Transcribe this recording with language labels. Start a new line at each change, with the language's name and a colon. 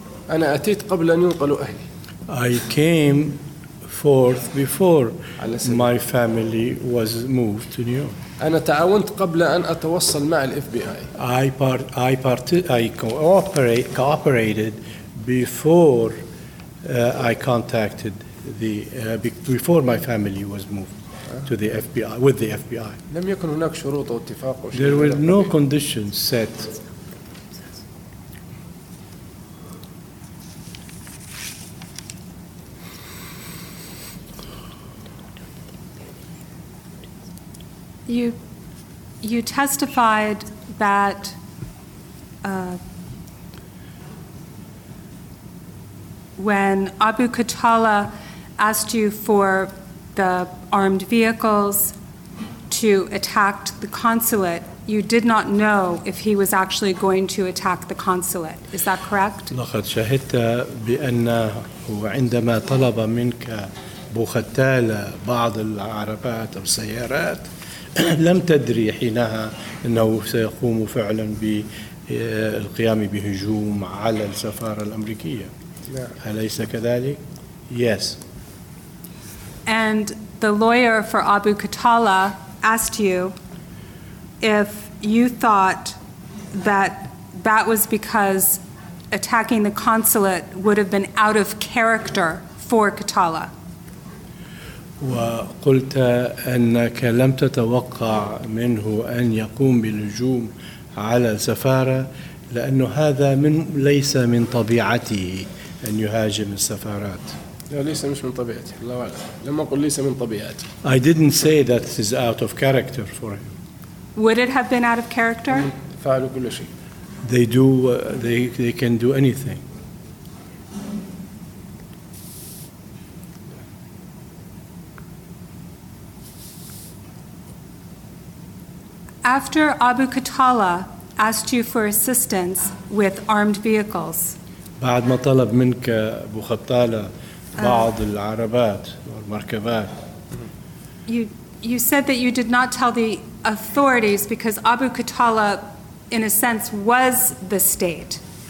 Arabic: أنا أتيت قبل أن ينقلوا أهلي.
English: I came forth before my family was moved to New York.
Arabic: أنا تعاونت قبل أن أتوصل مع الـ FBI.
English: I cooperated before my family was moved to the FBI with the FBI.
Arabic: لم يكن هناك شروط أو اتفاق.
English: There were no conditions set. You testified that when Abu Qatala asked you for the armed vehicles to attack the consulate, you did not know if he was actually going to attack the consulate. Is that correct?
Arabic: لقد شهدت بأنه عندما طلب منك أبو قتالة بعض العربات أو السيارات لم تدري حينها أنه سيقوم فعلا بالقيام بهجوم على السفارة الأمريكية.
English: Yeah.
Arabic: أليس كذلك؟
English: Yes. And the lawyer for Abu Qatala asked you if you thought that was because attacking the consulate would have been out of character for Qatala.
Arabic: وقلت أنك لم تتوقع منه أن يقوم بالهجوم على السفارة لأنه هذا ليس من طبيعته أن يهاجم السفارات. لا ليس مش من طبيعته. لا لا. لم أقل ليس من طبيعته.
English: I didn't say that is out of character for him. Would it have been out of character?
Arabic: فعلوا كل شيء.
English: They do. They can do anything. After Abu Qatala asked you for assistance with armed vehicles,
Arabic: بعد ما طلب منك أبو قتالة بعض العربات والمركبات,
English: you said that you did not tell the authorities because Abu Qatala, in a sense, was the state.